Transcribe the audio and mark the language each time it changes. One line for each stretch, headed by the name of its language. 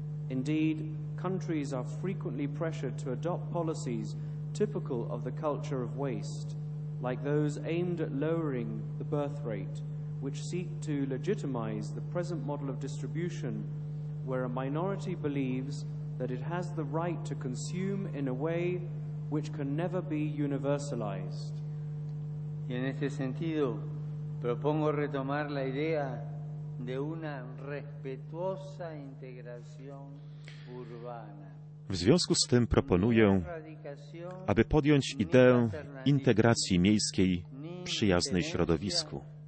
English: Indeed, countries are frequently pressured to adopt policies typical of the culture of waste, like those aimed at lowering the birth rate, which seek to legitimize the present model of distribution, where a minority believes that it has the right to consume in a way which can never be universalized.
Spanish: Y en este sentido, propongo retomar la idea de una respetuosa integración urbana.
Polish: W związku z tym proponuję, aby podjąć ideę integracji miejskiej przyjaznej środowisku.